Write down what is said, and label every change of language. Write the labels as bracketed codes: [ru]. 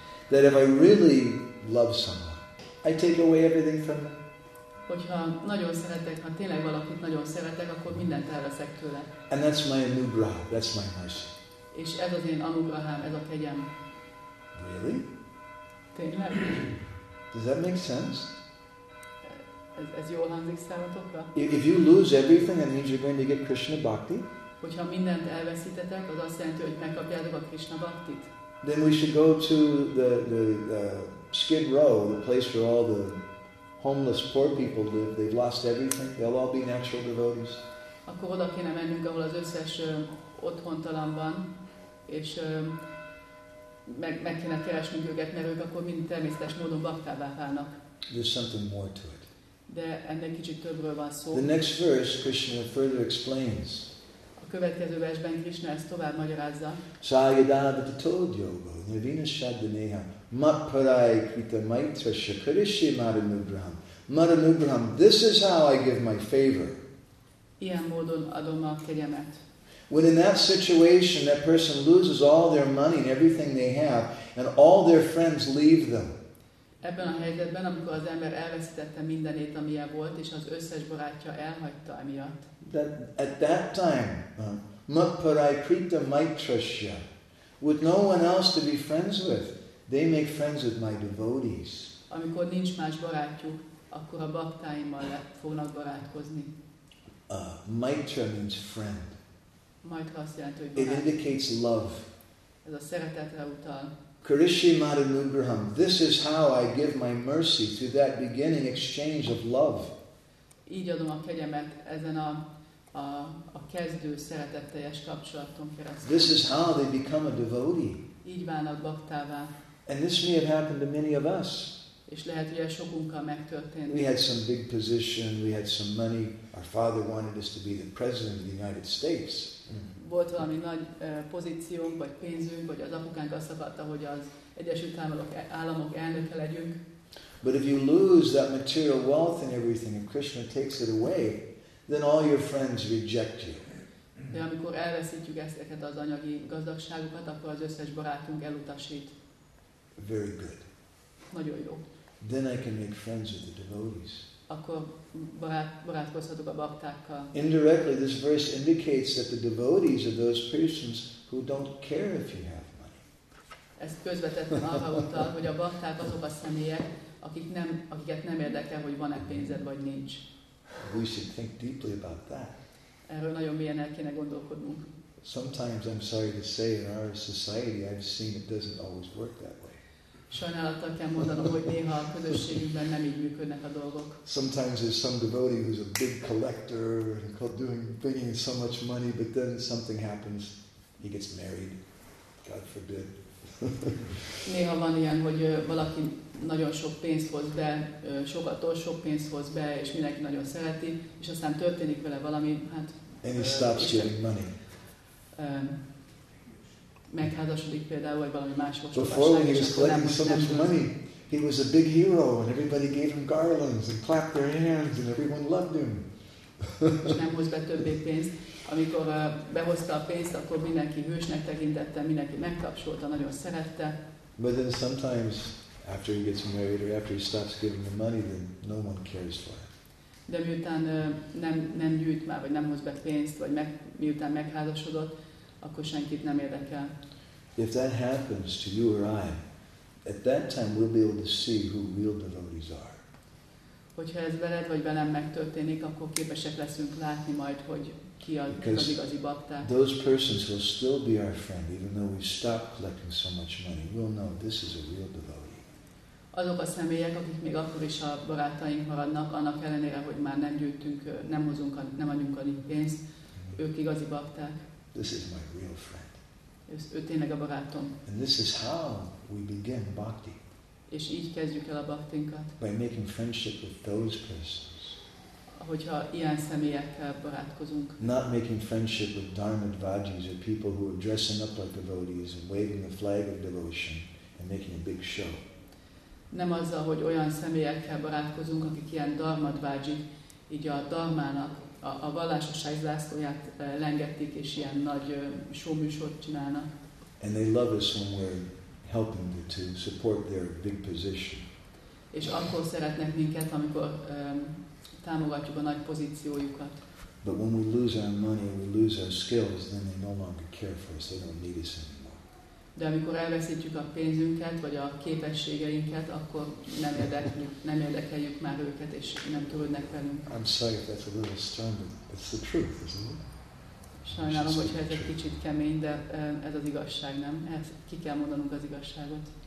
[en] That if I really love someone, I take away everything from them. [hu] Hogyha nagyon szeretek, ha tényleg valakit nagyon szeretek, akkor mindent elveszek tőle. [en] And that's my anugrah, that's my mercy. [hu] És ez az én anugraham, ez a kegyem. [en] Really? [hu] Tényleg? [en] Does that make sense? [hu] Ez jól hangzik számotokra? [en] If you lose everything, that means you're going to get Krishna bhakti. [hu] Hogyha mindent elveszítetek, az azt jelenti, hogy megkapjátok a Krishna bhaktit. [en] Then we should go to the Skid Row, the place where all the homeless poor people live. They've lost everything. They'll all be natural devotees. [hu] Akkor oda kéne mennünk, ahol az összes otthontalan van, és meg kéne keresnünk őket, mert ők akkor mind természetes módon baktává válnak. [en] There's something more to it. [hu] De ennek kicsit többről van szó. [en] The next verse Krishna further explains. [hu] A következő versben Krishna ezt tovább magyarázza. [sa] Sāyadāvata tod yoga nirvinashaddaneha matparai krita maitra shakarishi maranubraham maranubraham. [en] This is how I give my favor. [hu] Ilyen módon adom a kegyemet. [en] When in that situation that person loses all their money and everything they have and all their friends leave them. [hu] Ebben a helyzetben, amikor az ember elvesztette mindenét, amilyen volt, és az összes barátja elhagyta emiatt. [en] That, at that time, [sa] matparai krita maitrasya, [en] with no one else to be friends with, they make friends with my devotees. [hu] Amikor nincs más barátjuk, akkor a baktáimmal fognak barátkozni. [en] Maitra means friend. [hu] Maitra azt jelenti, hogy barát. [en] It indicates love. [hu] Ez a szeretetre utal. [sa] Krishi Madanugraham, [en] this is how I give my mercy through that beginning exchange of love. [hu] Így adom a kegyemet ezen a kezdő szeretetteljes kapcsolaton keresztül. [en] This is how they become a devotee. [hu] Így válnak baktává. [en] And this may have happened to many of us. [hu] És lehet, hogy ez sokunkkal megtörtént. [en] We had some big position, we had some money. Our father wanted us to be the president of the United States. [hu] Volt valami nagy pozíciónk, vagy pénzünk, vagy az apukánk azt akarta, hogy az Egyesült Államok elnöke legyünk. [en] But if you lose that material wealth and everything, and Krishna takes it away, then all your friends reject you. [hu] De amikor elveszítjük ezeket az anyagi gazdagságokat, akkor az összes barátunk elutasít. [en] Very good. [hu] Nagyon jó. [en] Then I can make friends with the devotees. [hu] akkor barátkozhatok a baktákkal. [en] Indirectly, this verse indicates that the devotees are those persons who don't care if you have money. [hu] Ezt közvetetten arra utal, hogy a bakták azok a személyek, akiket nem érdekel, hogy van-e pénzed vagy nincs. [en] We should think deeply about that. [hu] Erről nagyon mélyen el kéne gondolkodnunk. [en] Sometimes I'm sorry to say in our society I've seen it doesn't always work that way. [hu] Sajnálattal kell mondanom, hogy néha a közösségünkben nem így működnek a dolgok. [en] Sometimes there's some devotee who's a big collector and bringing so much money, but then something happens, he gets married, God forbid. [hu] Néha van ilyen, hogy valaki nagyon sok pénzt hoz be, sokattól sok pénzt hoz be, és mindenki nagyon szereti, és aztán történik vele valami, hát... [en] And he stops getting money. [hu] Megházasodik például, vagy valami más volt. [en] Before when he was collecting so much money, he was a big hero, and everybody gave him garlands and clapped their hands, and everyone loved him. [hu] És nem hoz be többé pénzt. Amikor behozta a pénzt, akkor mindenki hősnek tekintette, mindenki megtapsolta, nagyon szerette. [en] But then sometimes, after he gets married, or after he stops giving the money, then no one cares for him. [hu] De miután nem gyűjt már, vagy nem hoz be pénzt, vagy miután megházasodott, akkor senkit nem érdekel. [en] If that happens to you or I, at that time we'll be able to see who real devotees are. [hu] Hogyha ez veled vagy velem megtörténik, akkor képesek leszünk látni majd, hogy ki az igazi bakták. [en] Those persons will still be our friend, even though we stop collecting so much money. We'll know this is a real devotee. [hu] Azok a személyek, akik még akkor is a barátaink maradnak, annak ellenére, hogy már nem gyűjtünk, nem hozunk, nem adjunk annyi pénzt, ők igazi bakták. [en] This is my real friend. [hu] Ez ő tényleg a barátom. [en] And this is how we begin bhakti. [hu] És így kezdjük el a bhaktinkat. [en] By making friendship with those persons. [hu] Hogyha ilyen személyekkel barátkozunk. [en] Not making friendship with dharmadvajis or people who are dressing up like devotees and waving the flag of devotion and making a big show. [hu] Nem azzal, hogy olyan személyekkel barátkozunk, akik ilyen dharmadvajik, így a dharmának a vallásosság zászlóját lengetik és ilyen nagy showműsort csinálnak. [en] And they love us when we're helping to support their big position. [hu] És akkor szeretnek minket, amikor támogatjuk a nagy pozíciójukat. [en] But when we lose our money and we lose our skills, then they no longer care for us. They don't need us anymore. [hu] De amikor elveszítjük a pénzünket vagy a képességeinket, akkor nem érdekeljük már őket és nem törődnek velünk. [en] I'm sorry if that's a little strong, but it's the truth, isn't it? [hu] Sajnálom, hogyha ez egy kicsit kemény, de ez az igazság, nem? Ez ki kell mondanunk az igazságot.